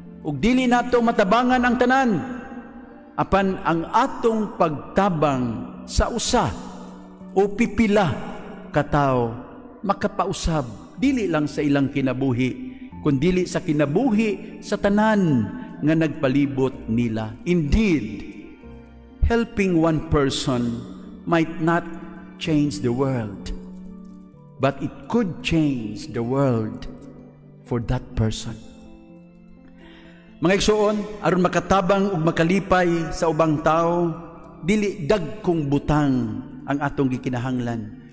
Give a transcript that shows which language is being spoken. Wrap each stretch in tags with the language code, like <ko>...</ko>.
<ceb>Ug dili nato matabangan ang tanan. Apan ang atong pagtabang sa usa o pipila katao makapausab dili lang sa ilang kinabuhi kundili sa kinabuhi sa tanan nga nagpalibot nila.</ceb> <en>Indeed, helping one person might not change the world, but it could change the world for that person.</en> <ceb>Mga igsuon, aron makatabang ug makalipay sa ubang tao, dili dagkong butang ang atong gikinahanglan,</ceb>